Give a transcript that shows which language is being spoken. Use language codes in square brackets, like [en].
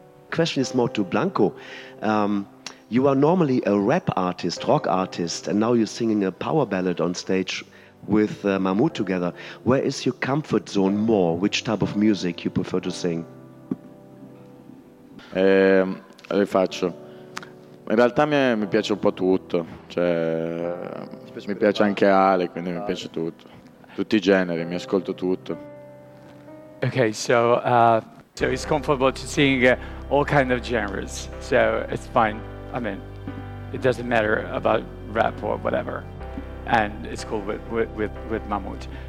[en] Question is more to Blanco. You are normally a rap artist, rock artist, and now you're singing a power ballad on stage with Mahmoud together. Where is your comfort zone more? Which type of music you prefer to sing? [it] Rifaccio. In realtà mi piace un po' tutto, cioè mi piace anche Ale, quindi mi piace tutto, tutti I generi, mi ascolto tutto. [en] Okay, so it's comfortable to sing all kind of genres, so it's fine. I mean, it doesn't matter about rap or whatever, and it's cool with Mahmoud.